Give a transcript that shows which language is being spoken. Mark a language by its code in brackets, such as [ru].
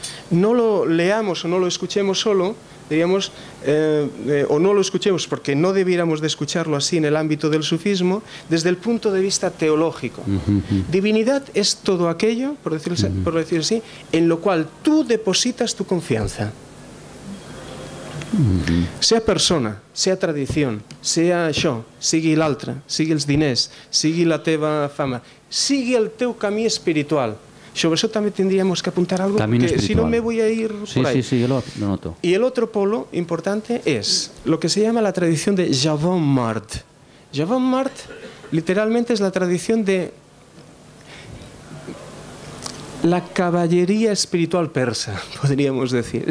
[es] no lo leamos o no lo escuchemos solo, diríamos, o no lo escuchemos porque no debiéramos de escucharlo así en el ámbito del sufismo, desde el punto de vista teológico. Divinidad es todo aquello, por decirlo así, en lo cual tú depositas tu confianza. Sea persona, sea tradición, sea [ca] això, sigui l'altre, sigui els diners, sigui la teva fama, sigui el teu camí espiritual. [es] Sobre eso también tendríamos que apuntar algo, porque si no me voy a ir por ahí. Sí, yo lo noto. Y el otro polo importante es lo que se llama la tradición de Javon Mart. Javon Mart literalmente es la tradición de la caballería espiritual persa, podríamos decir.